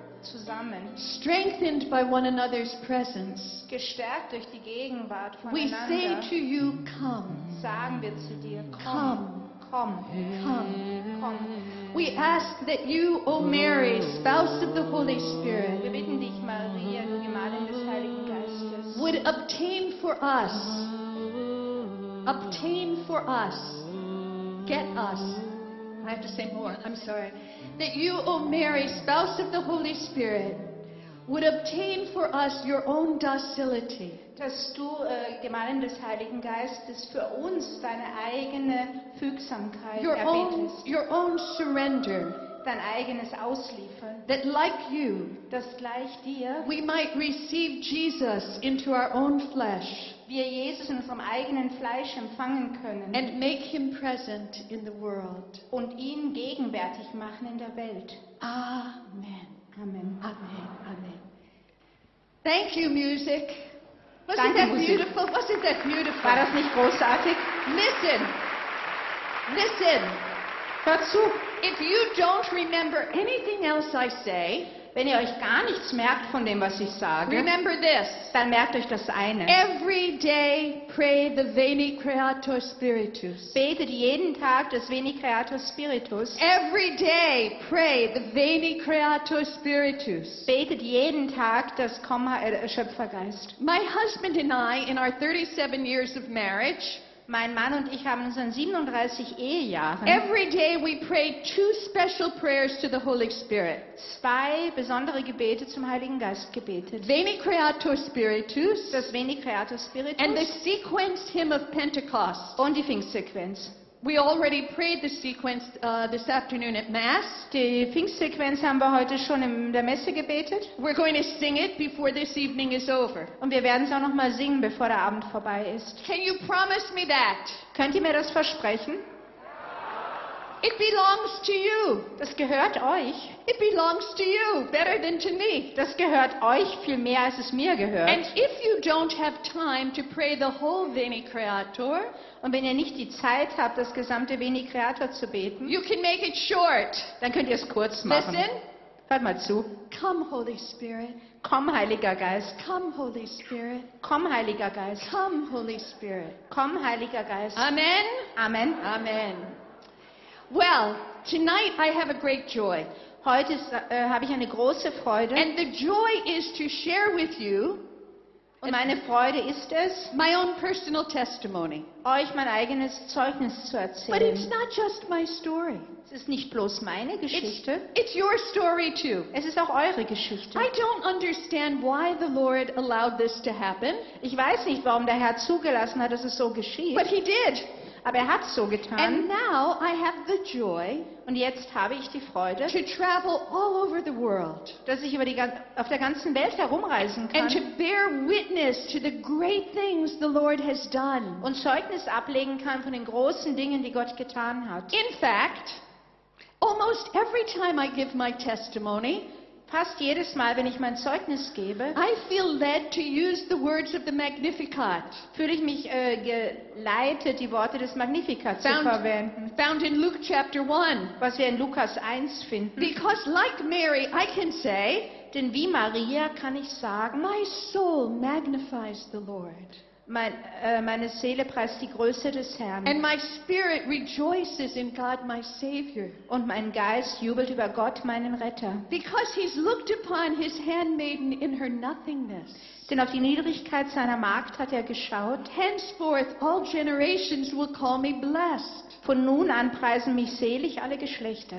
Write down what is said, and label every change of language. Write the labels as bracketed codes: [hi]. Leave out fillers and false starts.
[de] zusammen, [en] strengthened by one another's presence, [de] gestärkt durch die Gegenwart voneinander, [en] we say to you, come, sagen wir zu dir, komm, come. Come. We ask that you, O Mary, spouse of the Holy Spirit, [de] wir bitten dich, Maria, du Gemahlin des Heiligen Geistes, [en] would obtain for us, get us. I have to say more, I'm sorry. That you, O Mary, spouse of the Holy Spirit, would obtain for us your own docility. [de] Dass du, Gemahlin des Heiligen Geistes, für uns deine eigene Fügsamkeit erbetest. [en] Your own surrender. [de] Dein eigenes Ausliefern. [en] That like you, [de] dass gleich dir, [en] we might receive Jesus into our own flesh. [de] Wir Jesus in unserem eigenen Fleisch empfangen können. [en] And make him present in the world. [de] Und ihn gegenwärtig machen in der Welt. Amen. Amen. [en] Amen. Amen. Thank you, music. Wasn't that beautiful? [de] War das nicht großartig? [en] Listen. [de] Hör zu. [en] If you don't remember anything else I say, [de] wenn ihr euch gar nichts merkt von dem, was ich sage, [en] remember this. [de] Dann merkt euch das eine. [en] Every day pray the Veni Creator Spiritus. [de] Betet jeden Tag das Veni Creator Spiritus. [en] Every day pray the Veni Creator Spiritus. [de] Betet jeden Tag das Komma Schöpfergeist. [en] My husband and I, in our 37 years of marriage, [de] Mein Mann und ich haben uns in 37 Ehejahren. [en] Every day we pray two special prayers to the Holy Spirit. [de] Zwei besondere Gebete zum Heiligen Geist gebetet. [la] Veni Creator Spiritus. [de] Das Veni Creator Spiritus. [en] And the sequence hymn of Pentecost. [de] Und die Pfingstsequenz. [en] We already prayed the sequence this afternoon at Mass. [de] Die Pfingstsequenz haben wir heute schon in der Messe gebetet. [en] We're going to sing it before this evening is over. [de] Und wir werden es auch noch mal singen, bevor der Abend vorbei ist. [en] Can you promise me that? [de] Könnt ihr mir das versprechen? [en] It belongs to you. [de] Das gehört euch. [en] It belongs to you better than to me. [de] Das gehört euch viel mehr, als es mir gehört. [en] And if you don't have time to pray the whole Veni Creator, [de] und wenn ihr nicht die Zeit habt, das gesamte Veni Creator zu beten, [en] you can make it short. [de] Dann könnt ihr es kurz machen. [en] Listen. [de] Hört mal zu. [en] Come, Holy Spirit. [de] Komm, Heiliger Geist. [en] Come, Holy Spirit. [de] Komm, Heiliger Geist. [en] Come, Holy Spirit. [de] Komm, Heiliger Geist. Amen. Amen. [en] Amen. Well, tonight I have a great joy. [de] Heute habe ich eine große Freude. [en] And the joy is to share with you, [de] und meine Freude ist es, [en] my own personal testimony. [de] Euch mein eigenes Zeugnis zu erzählen. [en] But it's not just my story. [de] Es ist nicht bloß meine Geschichte. [en] It's your story too. [de] Es ist auch eure Geschichte. [en] I don't understand why the Lord allowed this to happen. [de] Ich weiß nicht, warum der Herr zugelassen hat, dass es so geschieht. [en] But he did. [de] Aber er hat so getan. [en] And now I have the joy, [de] und jetzt habe ich die Freude, [en] to travel all over the world, [de] dass ich über die auf der ganzen Welt herumreisen kann, [en] and to bear witness to the great things the Lord has done, [de] und Zeugnis ablegen kann von den großen Dingen, die Gott getan hat. [en] In fact, almost every time I give my testimony, [de] fast jedes Mal, wenn ich mein Zeugnis gebe, [en] I feel led to use the words of the Magnificat. [de] Fühle ich mich geleitet, die Worte des Magnificat [en] found, [de] zu verwenden. [en] Found in Luke chapter 1, [de] was wir in Lukas 1 finden. [en] Because like Mary, I can say, [de] denn wie Maria kann ich sagen, [en] my soul magnifies the Lord. [de] Meine Seele preist die Größe des Herrn. [en] And my spirit rejoices in God my Savior. [de] Und mein Geist jubelt über Gott, meinen Retter. [en] Because he's looked upon his handmaiden in her nothingness. [de] Denn auf die Niedrigkeit seiner Magd hat er geschaut. [en] Henceforth all generations will call me blessed. [de] Von nun an preisen mich selig alle Geschlechter.